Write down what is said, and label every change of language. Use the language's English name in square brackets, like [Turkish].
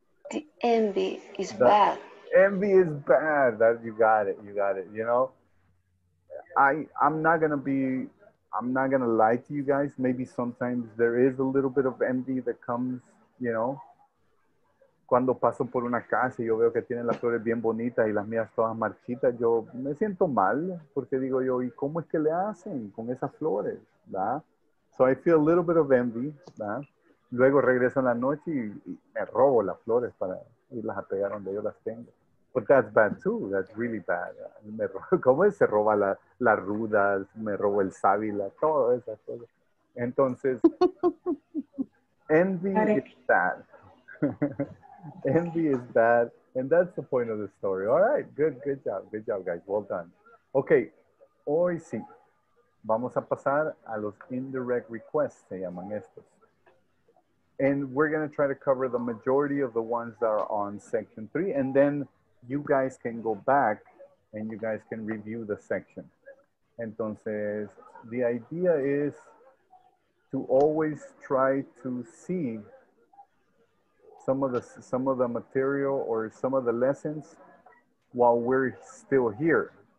[English] The envy is bad. Envy is bad. That you got it. You got it. You know, I'm not going to lie to you guys. Maybe sometimes there is a little bit of envy that comes, you know. [Spanish] Cuando paso por una casa y yo veo que tienen las flores bien bonitas y las mías todas marchitas, yo me siento mal porque digo yo, ¿y cómo es que le hacen con esas flores? ¿Va? [English] So I feel a little bit of envy. [Spanish] ¿Va? Luego regreso en la noche y me robo las flores para irlas a pegar donde yo las tengo. [English] But that's bad too. That's really bad. [Spanish] Me robo, ¿cómo es? Se roba la ruda, me robo el sábila, todas esas cosas. Entonces, [English] envy is bad. Envy is bad, and that's the point of the story. All right, good job, guys, well done. [Spanish] Okay, hoy sí, vamos a pasar a los indirect requests, se llaman estos. [English] And we're going to try to cover the majority of the ones that are on section 3, and then you guys can go back and you guys can review the section. [Spanish] Entonces, [English] the idea is to always try to see some of the material or some of the lessons while we're still here.